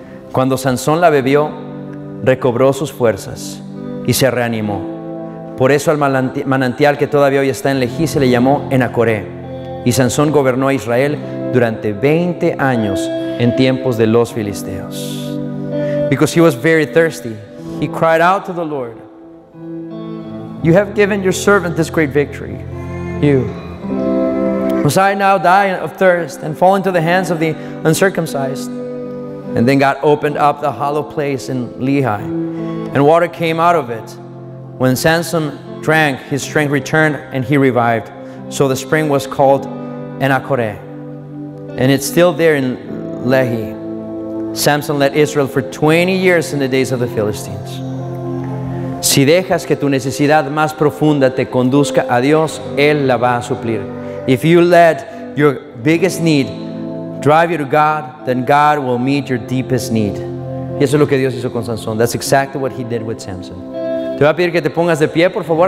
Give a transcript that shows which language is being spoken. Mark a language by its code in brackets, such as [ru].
[es] Cuando Sansón la bebió, recobró sus fuerzas y se reanimó. Por eso al manantial que todavía hoy está en Lehi se le llamó Enacoré. Y Sansón gobernó a Israel durante 20 años en tiempos de los filisteos. [en] Because he was very thirsty, he cried out to the Lord. You have given your servant this great victory. You. Must I now die of thirst and fall into the hands of the uncircumcised? And then God opened up the hollow place in Lehi, and water came out of it. When Sansom drank, his strength returned and he revived. So the spring was called Enacoré. And it's still there in Lehi. Samson led Israel for 20 years in the days of the Philistines. [es] Si dejas que tu necesidad más profunda te conduzca a Dios, Él la va a suplir. [en] If you let your biggest need drive you to God, then God will meet your deepest need. [es] Y eso es lo que Dios hizo con Sansón. [en] That's exactly what he did with Samson. [es] Te voy a pedir que te pongas de pie, por favor.